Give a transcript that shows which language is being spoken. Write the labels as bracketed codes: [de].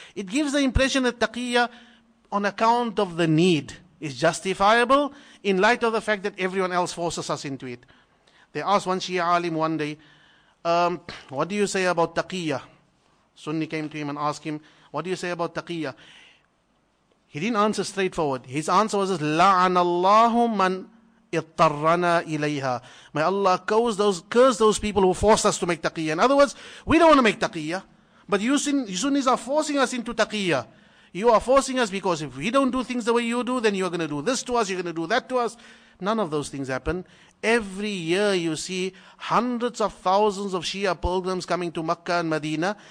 [en] It gives the impression that taqiyya on account of the need is justifiable in light of the fact that everyone else forces us into it. They asked one Shia alim one day, what do you say about taqiyya? Sunni came to him and asked him, what do you say about taqiyya? He didn't answer straightforward. [ar] His answer was, لَعَنَ اللَّهُ مَنْ اِطَّرَّنَا إِلَيْهَا. [en] May Allah curse those people who forced us to make taqiyya. In other words, we don't want to make taqiyya, But Sunnis are forcing us into taqiyya. You are forcing us because if we don't do things the way you do, then you're going to do this to us, you're going to do that to us. None of those things happen. Every year you see hundreds of thousands of Shia pilgrims coming to Makkah and Medina.